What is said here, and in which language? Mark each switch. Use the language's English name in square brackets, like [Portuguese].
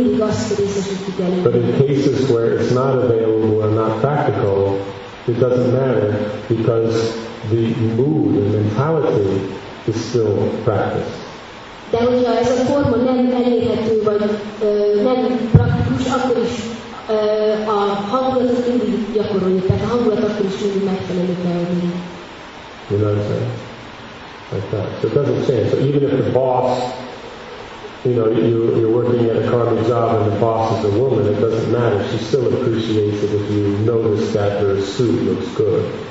[English] But in cases where it's not available or not practical, it doesn't matter because the mood and mentality is still practiced. [Hungarian] De hogyha ez a forma nem elérhető, vagy nem praktikus, akkor is a hangulatot mindig gyakoroljuk, tehát a hangulat akkor is mindig megfelelő kell adni. [English] You know what I'm saying? Like that. So it doesn't change. So even if the boss, you know, you're working at a karmic job and the boss is a woman, it doesn't matter. She still appreciates it if you notice that her suit looks good.